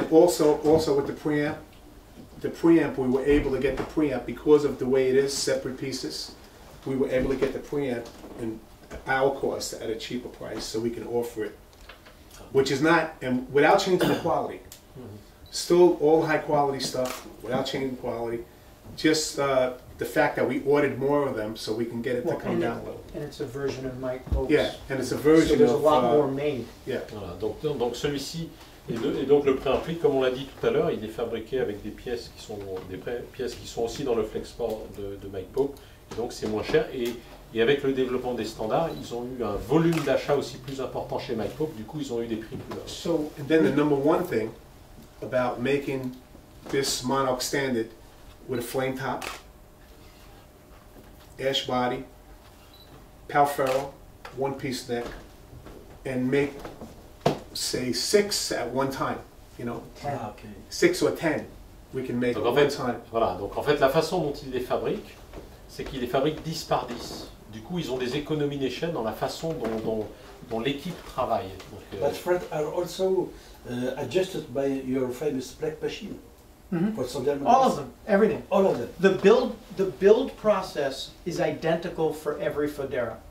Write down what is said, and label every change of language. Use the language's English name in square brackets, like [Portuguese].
[English] And also with the preamp, we were able to get the preamp, because of the way it is, separate pieces, we were able to get the preamp in our cost at a cheaper price, so we can offer it. Which is not, and without changing the quality, still all high quality stuff, without changing quality, just the fact that we ordered more of them so we can get it to come down a little. And it's a version of Mike Pope's. Yeah, and it's a version of... So there's a lot more made. Yeah. [French] Voilà, donc celui-ci, et donc le préamplique, comme on l'a dit tout à l'heure, il est fabriqué avec des pièces qui sont aussi dans le Flexport de Mike Pope, et donc c'est moins cher. Et avec le développement des standards, ils ont eu un volume d'achat aussi plus important chez Mike Pope, du coup ils ont eu des prix plus bas. [English] So, and then the number one thing about making this Monarch standard with a flame top, ash body, palferro, one piece neck, and make, say, six at one time, you know, six or ten, we can make at one time. [French] Voilà, donc en fait la façon dont ils les fabriquent, c'est qu'ils les fabriquent 10 par 10. Du coup, ils ont des économies d'échelle dans la façon dont l'équipe travaille. [English] But Fred are also adjusted by your famous black machine. Mm-hmm. All of them, everything. All of them. The build process is identical for every Fodera.